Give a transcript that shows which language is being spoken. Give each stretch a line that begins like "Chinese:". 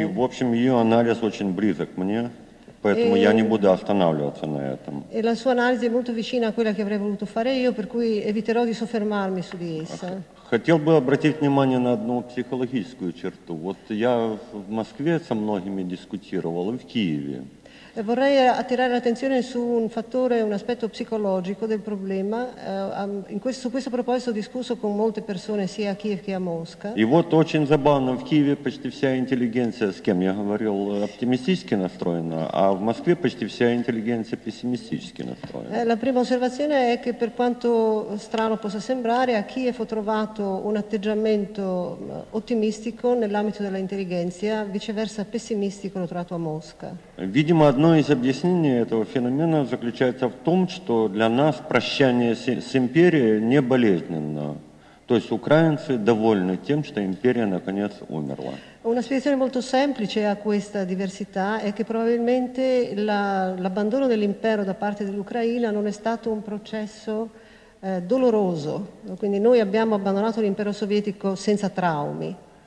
Russian: И, в общем, ее анализ очень близок мне. Поэтому я не буду останавливаться на этом.
Italian: E la sua analisi è molto vicina a quella che avrei voluto fare io, per cui eviterò di soffermarmi su di essa.
Russian: Хотел бы обратить внимание на одну психологическую черту. Вот я в Москве со многими дискутировал, и в Киеве.
Italian: Vorrei attirare l'attenzione su un fattore, un aspetto psicologico del problema. Su questo proposito ho discusso con molte persone sia a Kiev che a Mosca.
Russian: И вот очень забавно, в Киеве почти вся интеллигенция, с кем я говорил, оптимистически настроена, а в Москве почти вся интеллигенция пессимистически настроена.
Italian: La prima osservazione è che, per quanto strano possa sembrare, a Kiev ho trovato un atteggiamento ottimistico nell'ambito dell'intelligenza, viceversa pessimistico l'ho trovato a Mosca.
Russian: Видимо, одно из объяснений этого феномена заключается в том, что для нас прощание с империей не болезненно. То есть украинцы довольны тем, что империя наконец умерла.
Italian: Una spiegazione molto semplice a questa diversità è che probabilmente l'abbandono dell'impero da parte dell'Ucraina non è stato un processo doloroso. Quindi noi abbiamo abbandonato l'impero sovietico senza traumi.